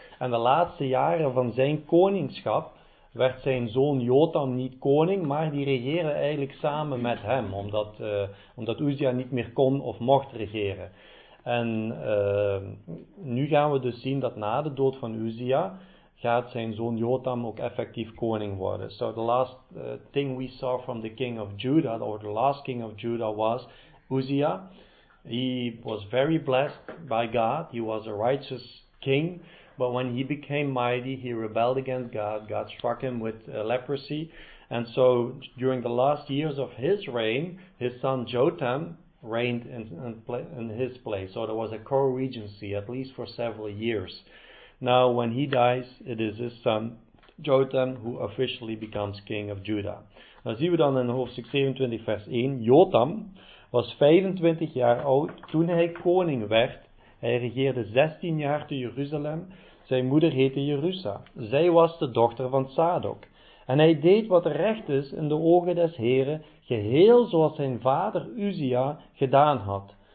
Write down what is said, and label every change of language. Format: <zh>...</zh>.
<nl>En de laatste jaren van zijn koningschap werd zijn zoon Jotam niet koning, maar die regeerde eigenlijk samen met hem, omdat Uzia niet meer kon of mocht regeren. En nu gaan we dus zien dat na de dood van Uzia gaat zijn zoon Jotham ook effectief koning worden.</nl> <en>So the last thing we saw from the king of Judah, or the last king of Judah, was Uzziah. He was very blessed by God. He was a righteous king. But when he became mighty, he rebelled against God. God struck him with leprosy. And so during the last years of his reign, his son Jotham reigned in his place. So there was a co-regency, at least for several years. Now when he dies, it is his son Jotham who officially becomes king of Judah.</en> <nl>Dan zien we dan in hoofdstuk 27 vers 1. Jotham was 25 jaar oud toen hij koning werd. Hij regeerde 16 jaar te Jeruzalem. Zijn moeder heette Jerusa. Zij was de dochter van Zadok. En hij deed wat recht is in de ogen des Heren, geheel zoals zijn vader Uzia gedaan had.</nl>